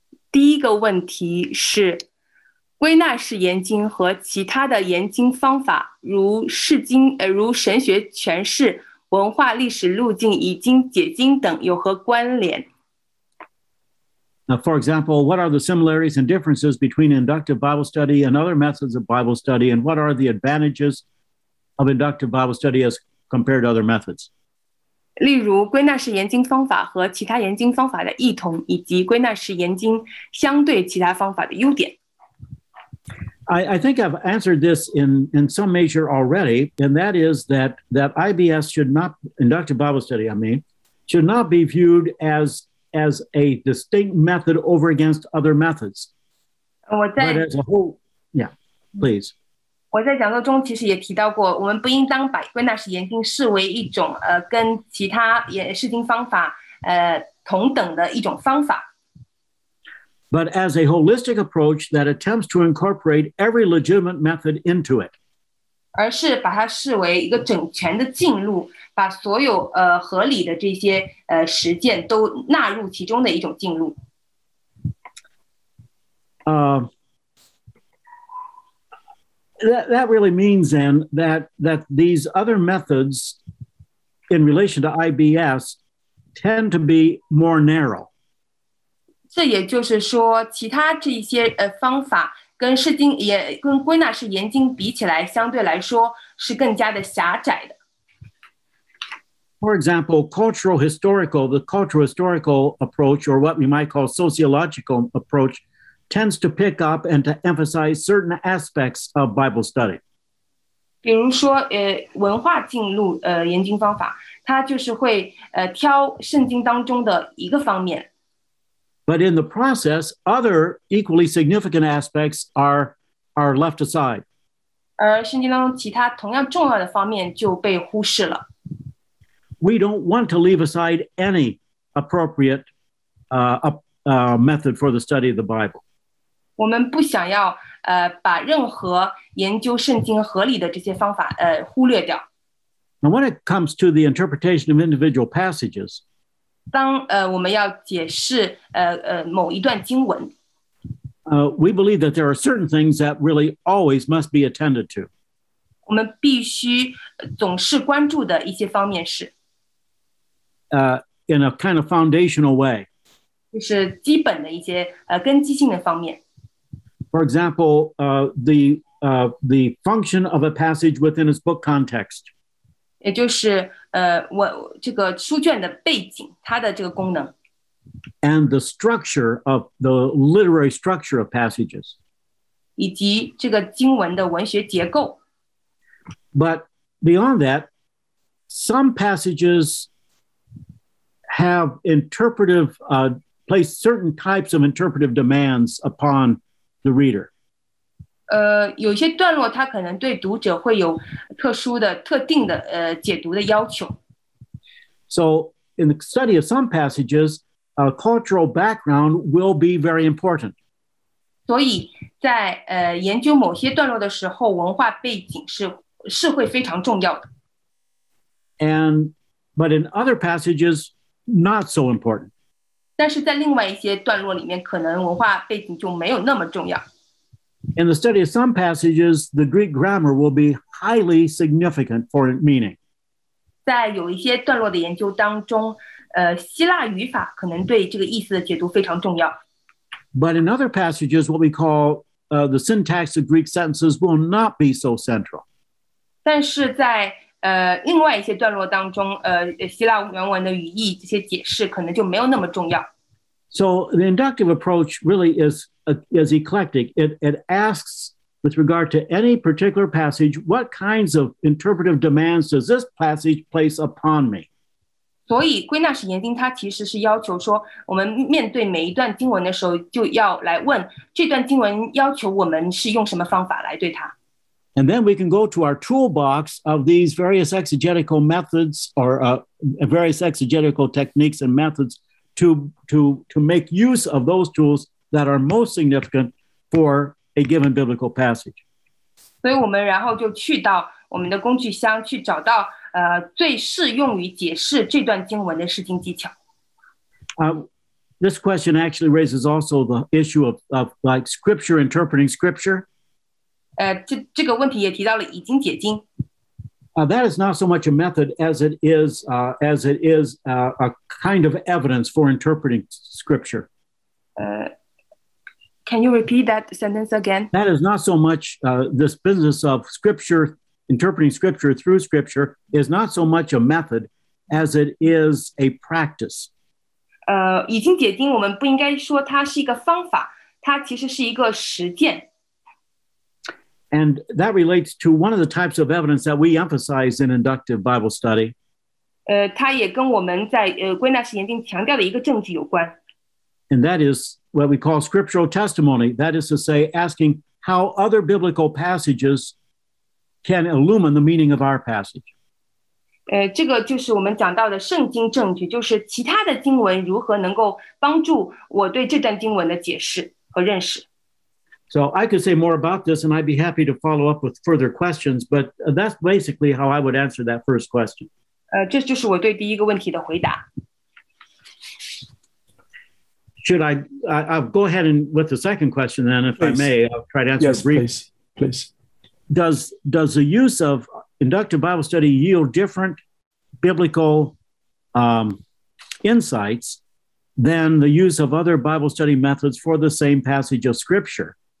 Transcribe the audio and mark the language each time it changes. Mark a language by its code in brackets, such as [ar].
[zh] 第一个问题是，归纳式研经和其他的研经方法，如释经、如神学诠释、文化历史路径、已经解经等，有何关联？ [en] Now, for example, what are the similarities and differences between inductive Bible study and other methods of Bible study, and what are the advantages of inductive Bible study as compared to other methods? [zh] 例如，归纳式研经方法和其他研经方法的异同，以及归纳式研经相对其他方法的优点。 [en] I think I've answered this in some measure already, and that is that IBS should not, inductive Bible study, I mean, should not be viewed as a distinct method over against other methods. [zh] 我在 [en] But as a whole, yeah, please. [zh] 我在讲座中其实也提到过，我们不应当把归纳式研经视为一种跟其他释经方法同等的一种方法。 [en] But as a holistic approach that attempts to incorporate every legitimate method into it. [zh] 而是把它视为一个整全的进入，把所有合理的这些实践都纳入其中的一种进入。 [en] That really means then that these other methods in relation to IBS tend to be more narrow. [zh] 这也就是说，其他这一些方法跟释经也跟归纳式研经比起来，相对来说是更加的狭窄的。 [en] For example, cultural historical, the cultural historical approach, or what we might call sociological approach, tends to pick up and to emphasize certain aspects of Bible study. [zh] 比如说，文化进入研经方法，它就是会挑圣经当中的一个方面。 [en] But in the process, other equally significant aspects are left aside. [zh] 而圣经当中其他同样重要的方面就被忽视了。 [en] We don't want to leave aside any appropriate method for the study of the Bible. [zh] 我们不想要把任何研究圣经合理的这些方法忽略掉。 [en] Now, when it comes to the interpretation of individual passages, [zh] 当我们要解释某一段经文 [en] we believe that there are certain things that really always must be attended to. [zh] 我们必须总是关注的一些方面是 [en] in a kind of foundational way. [zh] 就是基本的一些根基性的方面。 [en] For example, the function of a passage within its book context. [zh] 也就是我这个书卷的背景，它的这个功能。 [en] And the structure of the literary structure of passages. [zh] 以及这个经文的文学结构。 [en] But beyond that, some passages have interpretive, place certain types of interpretive demands upon the reader. [zh] 有些段落它可能对读者会有特殊的、特定的解读的要求。 [en] So, in the study of some passages, a cultural background will be very important. [zh] 所以在研究某些段落的时候，文化背景是会非常重要的。 [en] But in other passages, not so important. [zh] 但是在另外一些段落里面，可能文化背景就没有那么重要。 [en] In the study of some passages, the Greek grammar will be highly significant for meaning. [zh] 在有一些段落的研究当中，希腊语法可能对这个意思的解读非常重要。 [en] But in other passages, what we call the syntax of Greek sentences will not be so central. [zh] 但是在另外一些段落当中，希腊原文的语义这些解释可能就没有那么重要。 [en] So the inductive approach really is eclectic. It asks, with regard to any particular passage, what kinds of interpretive demands does this passage place upon me? [zh] 所以归纳式研经它其实是要求说，我们面对每一段经文的时候，就要来问这段经文要求我们是用什么方法来对它。 [en] And then we can go to our toolbox of these various exegetical methods or various exegetical techniques and methods. to make use of those tools that are most significant for a given biblical passage. [zh] 所以我们然后就去到我们的工具箱去找到最适用于解释这段经文的释经技巧。 [en] This question actually raises also the issue of like scripture interpreting scripture. [zh] 这个问题也提到了已经解经。 [en] That is not so much a method as it is a kind of evidence for interpreting scripture. Can you repeat that sentence again? That is not so much this business of scripture, interpreting scripture through scripture is not so much a method as it is a practice. [zh] 已经解经，我们不应该说它是一个方法，它其实是一个实践。 [en] And that relates to one of the types of evidence that we emphasize in inductive Bible study. [zh] 它也跟我们在归纳式研经强调的一个证据有关。 [en] And that is what we call scriptural testimony. That is to say, asking how other biblical passages can illumine the meaning of our passage. [zh] 这个就是我们讲到的圣经证据，就是其他的经文如何能够帮助我对这段经文的解释和认识。 [en] So I could say more about this, and I'd be happy to follow up with further questions, but that's basically how I would answer that first question. [zh] 这就是我对第一个问题的回答。 [en] Should I'll go ahead and with the second question then, if please. I may, I'll try to answer yes, it briefly. Yes, please. Does the use of inductive Bible study yield different biblical insights than the use of other Bible study methods for the same passage of Scripture?